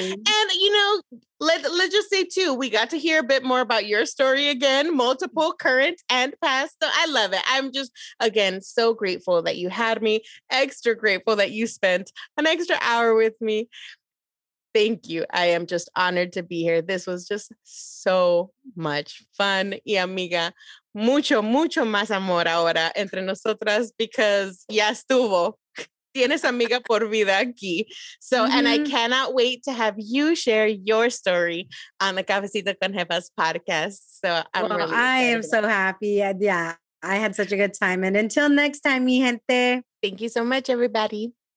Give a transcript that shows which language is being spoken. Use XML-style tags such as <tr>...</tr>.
<en>And, you know, let's just say, too, we got to hear a bit more about your story again, multiple current and past. So I love it. I'm just, again, so grateful that you had me, extra grateful that you spent an extra hour with me. Thank you. I am just honored to be here. This was just so much fun.</en> <es>Y amiga, mucho, mucho más amor ahora entre nosotras because ya estuvo. Tienes amiga por vida aquí.</es> <en>So, And I cannot wait to have you share your story on the Cafecito con Jefas podcast. So I am so happy. Yeah, I had such a good time. And until next time, mi gente. Thank you so much, everybody.</en>